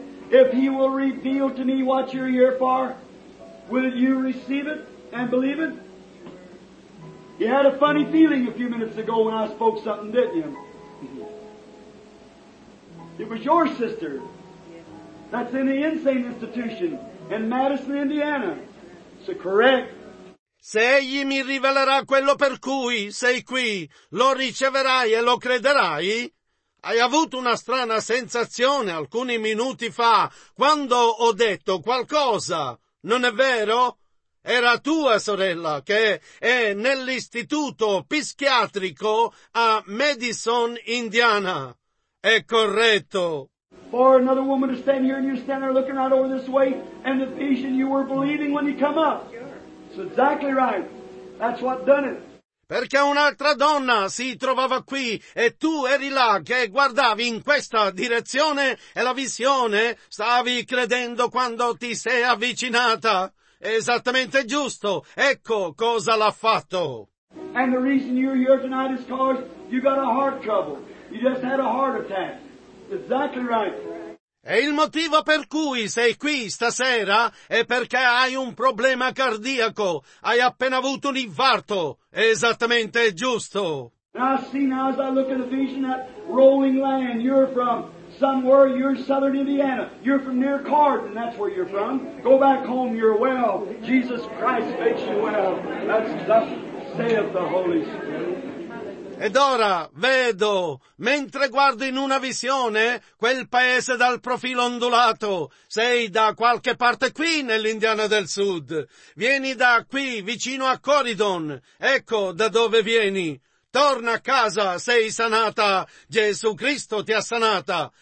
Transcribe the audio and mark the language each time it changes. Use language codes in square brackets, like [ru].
[en] If he will reveal to me what you're here for, will you receive it and believe it? You had a funny feeling a few minutes ago when I spoke something, didn't you? It was your sister that's in the insane institution in Madison, Indiana. So correct. [it] Se egli mi rivelerà quello per cui sei qui, lo riceverai e lo crederai? Hai avuto una strana sensazione alcuni minuti fa quando ho detto qualcosa, non è vero? Era tua sorella che è nell'istituto psichiatrico a Madison, Indiana. È corretto. [en] For another woman to stand here and you stand there looking out over this way and the vision you were believing when you come up. It's exactly right. That's what done it. [it] Perché un'altra donna si trovava qui e tu eri là che guardavi in questa direzione e la visione stavi credendo quando ti sei avvicinata. È esattamente giusto. Ecco cosa l'ha fatto. [en] And the reason you're here tonight is because you got a heart trouble. You just had a heart attack. Exactly right. [it] E il motivo per cui sei qui stasera è perché hai un problema cardiaco. Hai appena avuto un infarto. È esattamente giusto. [en] Now see now as I look at the vision that rolling land. You're from somewhere. You're southern Indiana. You're from near Carden. That's where you're from. Go back home. You're well. Jesus Christ makes you well. That's thus saith the Holy Spirit. [it] Ed ora vedo, mentre guardo in una visione, quel paese dal profilo ondulato. Sei da qualche parte qui nell'Indiana del Sud. Vieni da qui, vicino a Corydon. Ecco da dove vieni. Torna a casa, sei sanata. Gesù Cristo ti ha sanata.